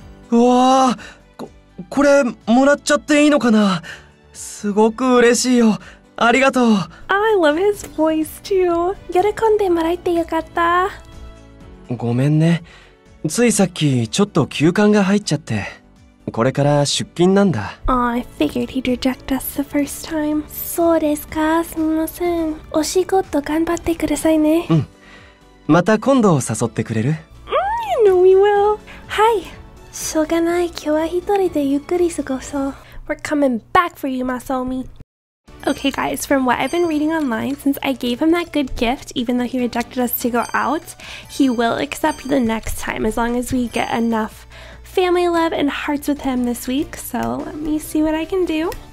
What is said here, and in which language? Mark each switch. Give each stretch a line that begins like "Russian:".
Japanese: うわあ、これもらっちゃっていいのかな？すごく嬉しいよ。ありがとう。
English: I love his voice too.
Japanese: 喜んでもらえてよかった。ごめんね。ついさっきちょっと休館が入っちゃって、これから出勤なんだ。
English: Oh, I figured he'd reject us the first time.
Japanese: そうですか、すみません。お仕事頑張ってくださいね。うん。また今度誘ってくれる？
English: You know we will.
Japanese: はい。しょうがない、今日は一人でゆっくり過ごそう。
English: We're coming back for you, Masaomi. Okay guys, from what I've been reading online, since I gave him that good gift, even though he rejected us to go out, he will accept the next time, as long as we get enough family love and hearts with him this week. So let me see what I can do.